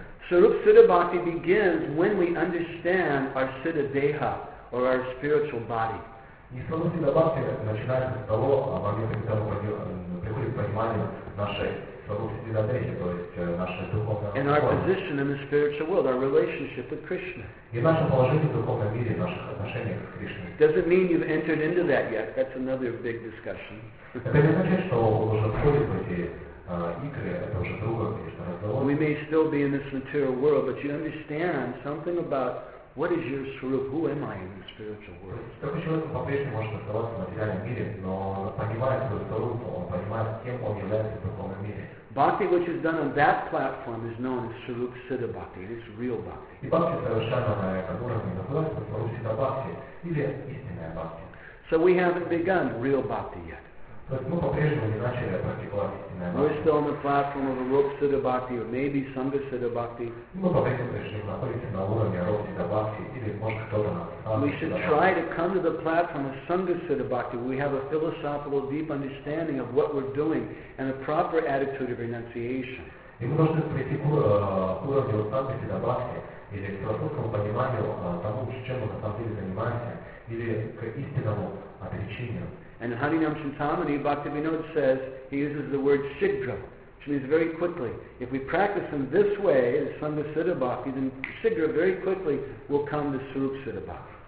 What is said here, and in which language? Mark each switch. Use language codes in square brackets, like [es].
[en] Arup Siddha Bhakti begins when we understand our Siddha Deha or our spiritual body. [ru] И Сарупа Сиддха Бхакти начинается с того, а момент, когда мы приходим к пониманию нашей Сарупа Сиддха Дейхи, то есть нашей духовной [en] And our position in the spiritual world, our relationship with Krishna. [ru] И наше положение в духовном мире, в наших отношениях с Кришной. [en] Does it mean you've entered into that yet? That's another big discussion. [ru] Это не значит, что вы уже входите в эти игры, это уже другое, конечно, разговор. [en] We may still be in this material world, but you understand something about What is your Swarup? Who am I in the spiritual world? [ru] Такой человек по-прежнему может оставаться в материальном мире, но понимает свой Swarup, он понимает, кем он является в духовном мире. [en] Bhakti, which is done on that platform, is known as Swarup Siddha Bhakti. It is real bhakti. [ru] И бхакти, совершенно на этом уровне, называется Swarup Siddha Bhakti, или истинная бхакти. [en] So we haven't begun real bhakti yet. [ru] То есть мы по-прежнему не начали практиковать истинное бхакти. [en] We're still on the platform of Arup Siddha Bhakti or maybe Sangha Siddha Bhakti. [ru] Мы по-прежнему решили находиться на уровне Arup Siddha Bhakti или может кто-то на самом деле. [en] We should try to come to the platform of Sangha Siddha Bhakti. We have a philosophical deep understanding of what we're doing and a proper attitude of renunciation. [ru] И мы должны прийти к уровню Sangha Siddha Bhakti или к философскому пониманию того, чем мы на самом деле занимаемся или к истинному отречению. [en] And in Harinam Chintamani, Bhaktivinoda says, he uses the word Shigra, which means very quickly. If we practice in this way, as Sangha Siddha Bhakti, then Shigra very quickly will come to Sarup Siddha Bhakti.